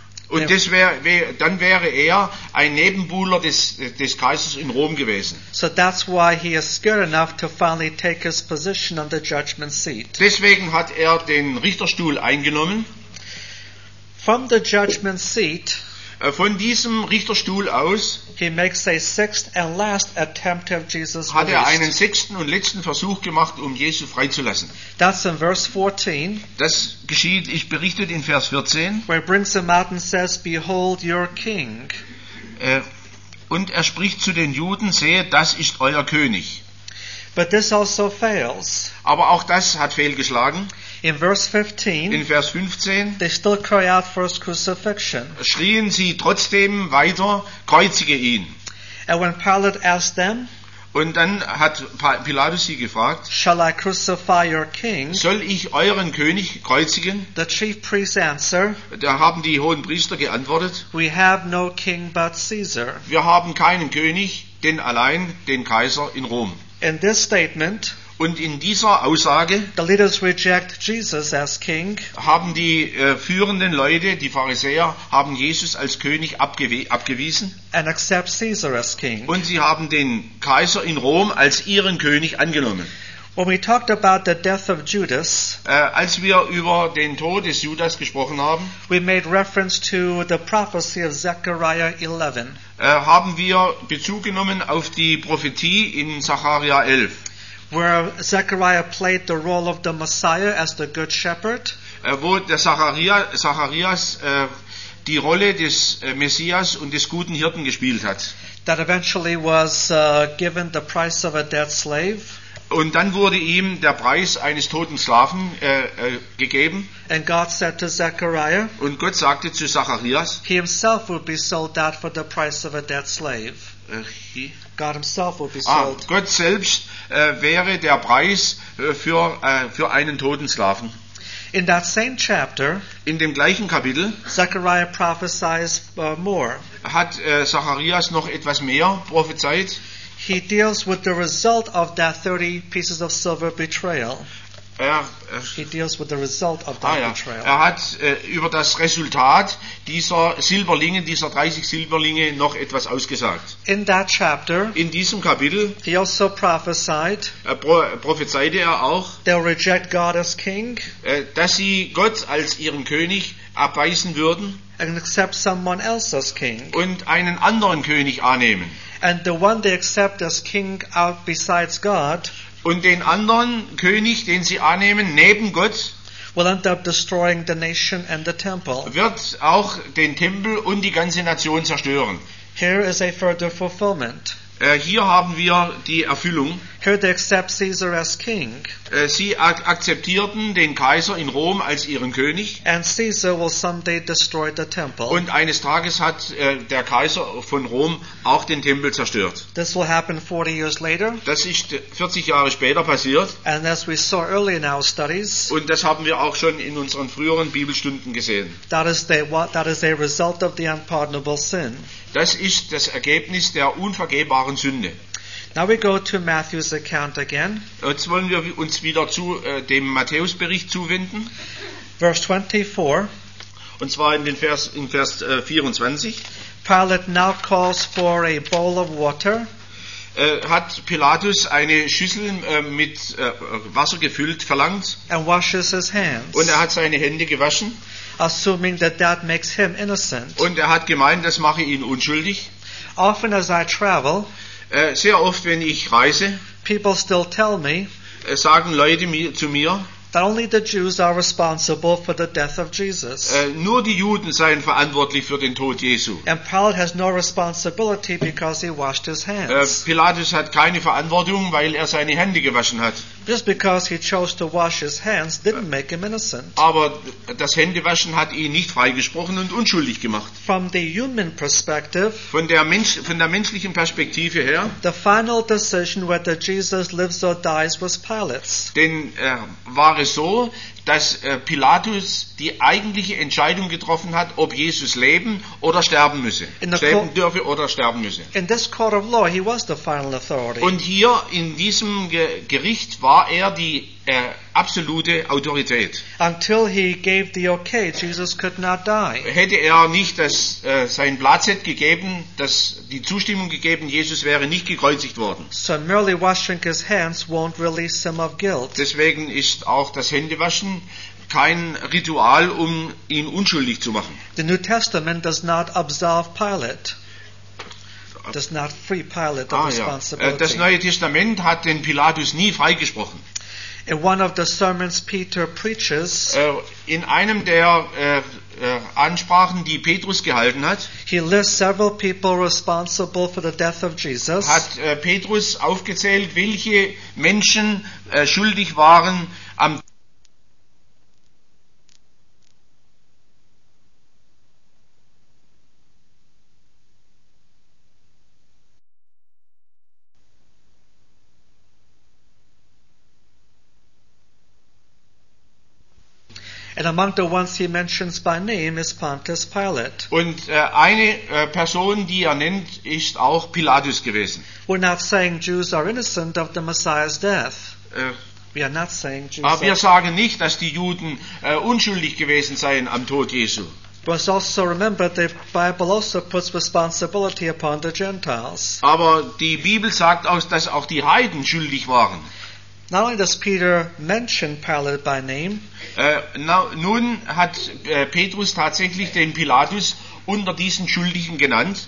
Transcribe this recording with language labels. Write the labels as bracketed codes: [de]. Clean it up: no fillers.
[de] Dann wäre er ein Nebenbuhler des Kaisers in Rom gewesen. [en] So that's why he is scared enough to finally take his position on the judgment seat. [de] Deswegen hat er den Richterstuhl eingenommen. [en] From the judgment seat, [de] von diesem Richterstuhl aus, [en] he makes a sixth and last attempt to have Jesus released. [de] Hat er einen sechsten und letzten Versuch gemacht, um Jesus freizulassen. [en] That's in verse 14. [de] Das geschieht, ich berichte in Vers 14. [en] Where he brings him out and says, "Behold, your king." [de] Und er spricht zu den Juden, sehe, das ist euer König. [en] But this also fails. [de] Aber auch das hat fehlgeschlagen. [en] In verse 15, [de] in Vers 15, [en] they still cry out for his crucifixion. [de] Schrien sie trotzdem weiter, kreuzige ihn. [en] And when Pilate asked them, [de] und dann hat Pilatus sie gefragt, [en] shall I crucify your king? [de] Soll ich euren König kreuzigen? [en] The chief priests answer, [de] da haben die hohen Priester geantwortet, [en] we have no king but Caesar. [de] Wir haben keinen König, denn allein den Kaiser in Rom. [en] In this statement, [de] und in dieser Aussage, [en] the leaders reject Jesus as king, [de] haben die führenden Leute, die Pharisäer, haben Jesus als König abgewiesen, [en] and accept Caesar as king. [de] Und sie haben den Kaiser in Rom als ihren König angenommen. [en] When we talked about the death of Judas, [de] als wir über den Tod des Judas gesprochen haben, [en] we made reference to the prophecy of Zechariah 11. [de] Haben wir Bezug genommen auf die Prophetie in Zechariah 11. [en] Where Zechariah played the role of the Messiah as the good shepherd. [de] Wo der Zacharias die Rolle des Messias und des guten Hirten gespielt hat. [en] That eventually was given the price of a dead slave. [de] Und dann wurde ihm der Preis eines toten Sklaven gegeben. [en] And God said to Zechariah, [de] und Gott sagte zu Zacharias, [en] he himself would be sold out for the price of a dead slave. God himself would be sold. [de] Gott selbst wäre der Preis für einen toten Sklaven. [en] In that same chapter, [de] in dem gleichen Kapitel, [en] Zechariah prophesies more. [de] Hat Zacharias noch etwas mehr prophezeit? [en] He deals with the result of that 30 pieces of silver betrayal. He deals with the result of that betrayal. [de] Er hat über das Resultat dieser Silberlinge, dieser 30 Silberlinge, noch etwas ausgesagt. [en] In that chapter, [de] in diesem Kapitel, [en] he also prophesied, [de] prophezeite er auch, [en] they'll reject God as king, [de] dass sie Gott als ihren König abweisen würden, [en] and accept someone else as king, [de] und einen anderen König annehmen. [en] And the one they accept as king out besides God, [de] und den anderen König, den sie annehmen neben Gott, [en] will end up destroying the nation and the temple, [de] wird auch den Tempel und die ganze Nation zerstören. [en] Here is a further fulfillment. [de] Hier haben wir die Erfüllung. [en] Here they accept Caesar as king. [de] Sie akzeptierten den Kaiser in Rom als ihren König. [en] And Caesar will someday destroy the temple. [de] Und eines Tages hat der Kaiser von Rom auch den Tempel zerstört. [en] This will happen 40 years later. [de] Das ist 40 Jahre später passiert. [en] And as we saw early in our studies. [de] Und das haben wir auch schon in unseren früheren Bibelstunden gesehen. [en] That is a result of the unpardonable sin. [de] Das ist das Ergebnis der unvergebbaren Sünde. [en] Now we go to Matthew's account again. [de] Jetzt wollen wir uns wieder zu dem Matthäusbericht zuwenden. [en] Verse 24. [de] Und zwar in Vers 24. [en] Pilate now calls for a bowl of water. [de] Hat Pilatus eine Schüssel mit Wasser gefüllt verlangt. [en] And washes his hands. [de] Und er hat seine Hände gewaschen. [en] Assuming that that makes him innocent. [de] Und er hat gemeint, das mache ihn unschuldig. [en] Often as I travel, [de] sehr oft, wenn ich reise, [en] people still tell me, [de] sagen Leute zu mir, [en] that only the Jews are responsible for the death of Jesus. [de] Nur die Juden seien verantwortlich für den Tod Jesu. [en] And Pilate has no responsibility because he washed his hands. [de] Pilatus hat keine Verantwortung, weil er seine Hände gewaschen hat. [en] Just because he chose to wash his hands didn't make him innocent. [de] Aber das Händewaschen hat ihn nicht freigesprochen und unschuldig gemacht. [en] From the human perspective, [de] von der menschlichen Perspektive her, [en] the final decision whether Jesus lives or dies was Pilate's. [de] Denn war es so, dass Pilatus die eigentliche Entscheidung getroffen hat, ob Jesus leben oder sterben müsse, sterben dürfe. [en] In this court of law, he was the final authority. [de] Und hier in diesem Gericht war er die absolute Autorität. [en] Until he gave the okay, Jesus could not die. [de] Hätte er nicht sein Blatt gegeben, dass die Zustimmung gegeben, Jesus wäre nicht gekreuzigt worden. [en] So merely washing his hands won't release him of guilt. [de] Deswegen ist auch das Händewaschen kein Ritual, um ihn unschuldig zu machen. [en] The New Testament does not absolve Pilate. Does not free Pilate of responsibility. [de] Das Neue Testament hat den Pilatus nie freigesprochen. [en] In one of the sermons Peter preaches, [de] in einem der Ansprachen, die Petrus gehalten hat, [en] he lists several people responsible for the death of Jesus. [de] Hat Petrus aufgezählt, welche Menschen schuldig waren am [en] And among the ones he mentions by name is Pontius Pilate. [de] Und eine Person, die er nennt, ist auch Pilatus gewesen. [en] We're not saying Jews are innocent of the Messiah's death. We are not saying Jews. [de] Aber wir sagen nicht, dass die Juden unschuldig gewesen seien am Tod Jesu. [en] But also remember, the Bible also puts responsibility upon the Gentiles. [de] Aber die Bibel sagt auch, dass auch die Heiden schuldig waren. [en] Not only does Peter mention Pilate by name. [de] Nun hat Petrus tatsächlich den Pilatus unter diesen Schuldigen genannt.